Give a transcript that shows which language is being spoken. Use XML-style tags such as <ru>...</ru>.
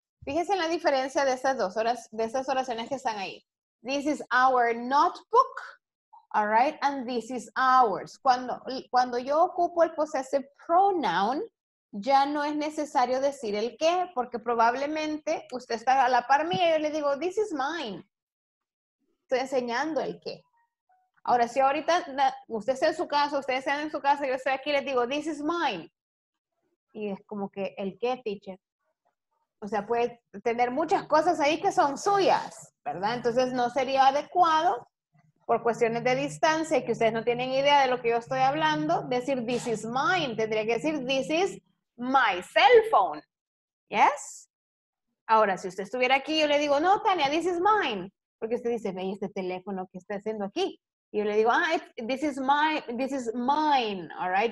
<es>Fíjense en la diferencia de estas dos horas, de estas oraciones que están ahí.</es> <en>This is our notebook, all right, and this is ours.</en> <es>Cuando yo ocupo el</es> <en>possessive pronoun,</en> <es>ya no es necesario decir el qué, porque probablemente usted está a la par mía y yo le digo,</es> <en>this is mine.</en> <es>Estoy enseñando el qué. Ahora, si ahorita usted está en su casa, ustedes están en su casa, yo estoy aquí y les digo,</es> <en>this is mine.</en> <es>Y es como que, ¿el qué, teacher? O sea, puede tener muchas cosas ahí que son suyas, ¿verdad? Entonces, no sería adecuado, por cuestiones de distancia, que ustedes no tienen idea de lo que yo estoy hablando, decir,</es> <en>this is mine.</en> <es>Tendría que decir,</es> <en>this is my cell phone. ¿Yes?</en> <es>Ahora, si usted estuviera aquí, yo le digo, no, Tania,</es> <en>this is mine.</en> <es>Porque usted dice, ve este teléfono que está haciendo aquí. Y yo le digo,</es> <en>ah, this is mine, all right?</en>